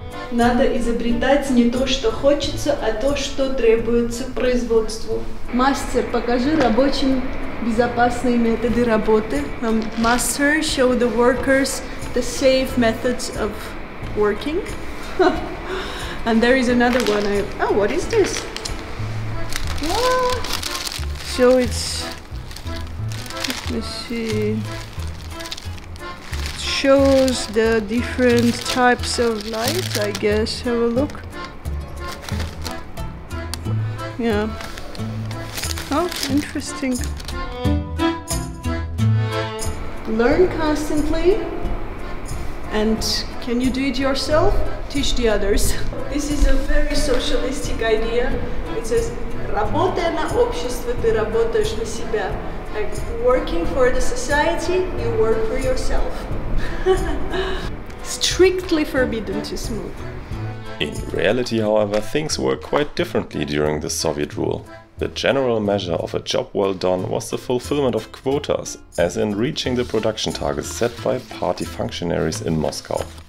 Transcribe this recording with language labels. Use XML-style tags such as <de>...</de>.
<ru>Надо изобретать не то, что хочется, а то, что требуется производству. Master, покажи рабочим безопасные методы работы.</ru> <en>Master, show the workers the safe methods of working. And there is another one. Oh, what is this? So it's, let me see, it shows the different types of light, I guess. Have a look. Yeah. Oh, interesting. Learn constantly. And can you do it yourself? Teach the others. This is a very socialistic idea. It says,</en> <ru>работая на общество, ты работаешь на себя.</ru> <en>Like, working for the society, you work for yourself. Strictly forbidden to smoke. In reality, however, things were quite differently during the Soviet rule. The general measure of a job well done was the fulfillment of quotas, as in reaching the production targets set by party functionaries in Moscow.</en>